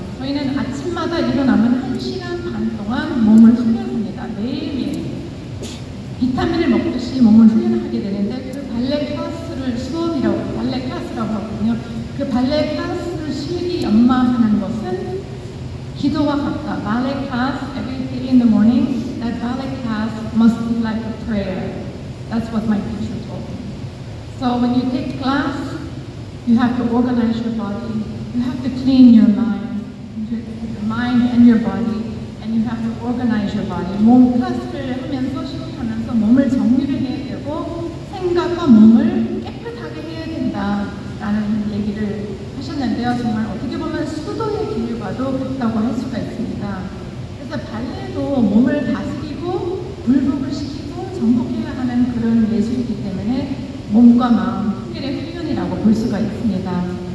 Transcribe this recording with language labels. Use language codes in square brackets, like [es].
[ko] 저희는 아침마다 일어나면 1시간 반 동안 몸을 훈련합니다. 매일매일 비타민을 먹듯이 몸을 훈련하게 되는데 그 발레 클래스를 수업이라고 발레 클래스라고 하거든요. 그 발레 클래스를 실기 연마하는 것은 기도와 같다. [en] Ballet class every day in the morning. That ballet class must be like a prayer. That's what my teacher told me. So when you take class, you have to organize your body. You have to clean your mind. Mind and your body, and you have to organize your body. [ko] 몸 클래스를 하면서 시작하면서 몸을 정리를 해야 되고 생각과 몸을 깨끗하게 해야 된다라는 얘기를 하셨는데요. 정말 어떻게 보면 수도의 길과도 같다고 할 수가 있습니다. 그래서 발레도 몸을 다스리고 굴복을 시키고 정복해야 하는 그런 예술이기 때문에 몸과 마음 통일의 훈련이라고 볼 수가 있습니다.